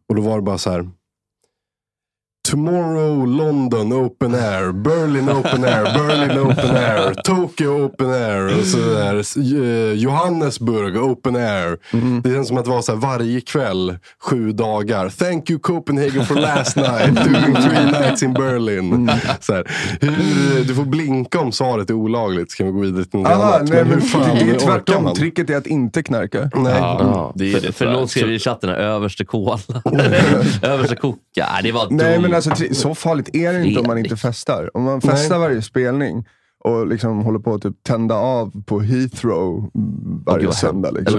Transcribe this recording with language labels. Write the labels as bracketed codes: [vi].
[sv] Och då var det bara så här: [en] Tomorrow London open air, Berlin open air, Berlin open air, Tokyo open air, och så där. Johannesburg open air. [sv] Mm-hmm. Det känns som att det var så här varje kväll, 7 dagar. [en] Thank you Copenhagen for last night, doing 3 nights in Berlin. [sv] Mm. Så här. Du får blinka om svaret är olagligt, så kan vi gå vidare till något annat. Nej, men hur fan det är tvärtom, man? Tricket är att inte knarka. Nej. Ja, det är för någon skrev i chatten, överste kola. Överste koka, det var dumt. Men alltså, så farligt är det inte om man inte festar. Om man festar varje spelning och liksom håller på att typ tända av på Heathrow varje söndag liksom.